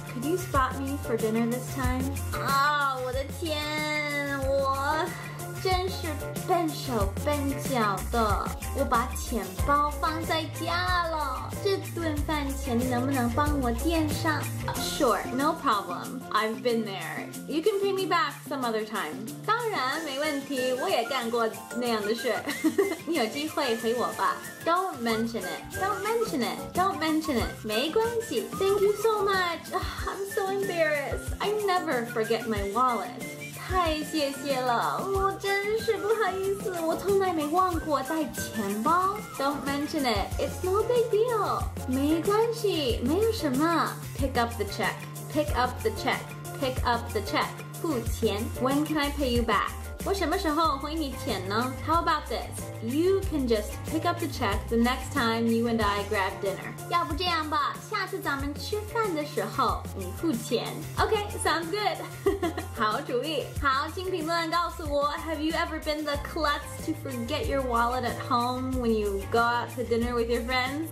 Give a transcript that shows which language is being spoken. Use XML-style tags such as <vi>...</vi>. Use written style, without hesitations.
<en>Could you spot me for dinner this time?</en> <zh>我的天，我真是笨手笨脚的，我把钱包放在家了，这顿饭钱能不能帮我垫上？</zh> <en>Sure, no problem. I've been there. You can pay me back some other time.</en> <zh>当然没问题，我也干过那样的事。你有机会陪我吧。</zh> <en>Don't mention it. Don't mention it. Don't mention it.</en> <zh>没关系。</zh> <en>Thank you so much. I'm so embarrassed. I never forget my wallet.</en> <zh>太谢谢了，我真是不好意思，我从来没忘过带钱包。</zh> <en>Don't mention it, it's no big deal.</en> <zh>没关系，没有什么。</zh> <en>Pick up the check, pick up the check, pick up the check.</en> <zh>付钱。</zh> <en>When can I pay you back?</en> <zh>我什么时候回你钱呢？</zh> <en>How about this? You can just pick up the check the next time you and I grab dinner.</en> <zh>要不这样吧，下次咱们吃饭的时候你付钱。</zh> <en>Okay, sounds good.</en> <zh>好主意。好，请评论告诉我，</zh> <en>Have you ever been the klutz to forget your wallet at home when you go out to dinner with your friends?</en>